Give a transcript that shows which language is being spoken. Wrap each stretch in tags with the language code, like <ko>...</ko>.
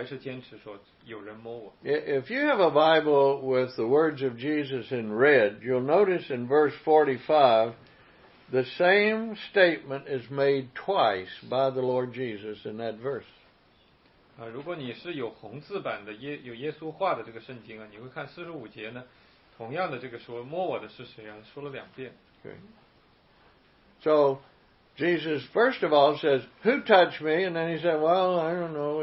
<zh>众人都不承认啊，彼得说呢，你看我们都挤拥挤在一起呢，你还问谁摸你吗？但是耶稣还是坚持说有人摸我。If</zh> <en>you have a Bible with the words of Jesus in red, you'll notice in verse 45, the same statement is made twice by the Lord Jesus in that verse.</en> <zh>如果你是有红字版的有耶稣话的这个圣经啊，你会看45节呢，同样的这个说摸我的是谁啊，说了两遍。</zh> <en>Okay. So, Jesus, first of all, says, Who touched me? And then he said, Well, I don't know.</en>